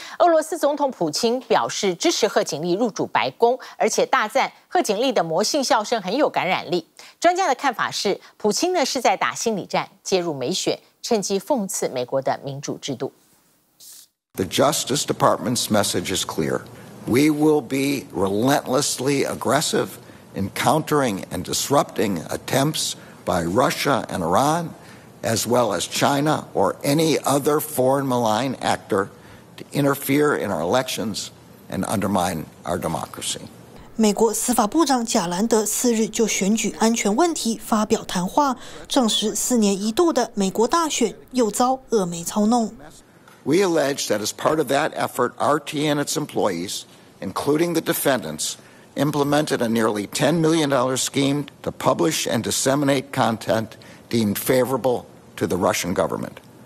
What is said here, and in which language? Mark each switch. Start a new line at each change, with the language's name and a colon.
Chinese: 俄罗斯总统普京表示支持贺锦丽入主白宫，而且大赞贺锦丽的魔性笑声很有感染力。专家的看法是，普京呢是在打心理战，介入美选，趁机讽刺美国的民主制度。
English: The Justice Department's message is clear. We will be relentlessly aggressive in countering and disrupting attempts by Russia and Iran, as well as China or any other foreign malign actor, to interfere in our elections and undermine our democracy.
Chinese: 美国司法部长贾兰德四日就选举安全问题发表谈话，证实4年1度的美国大选又遭俄媒操弄。
English: We allege that as part of that effort, RT and its employees, including the defendants, implemented a nearly $10 million scheme to publish and disseminate content deemed favorable to the Russian government.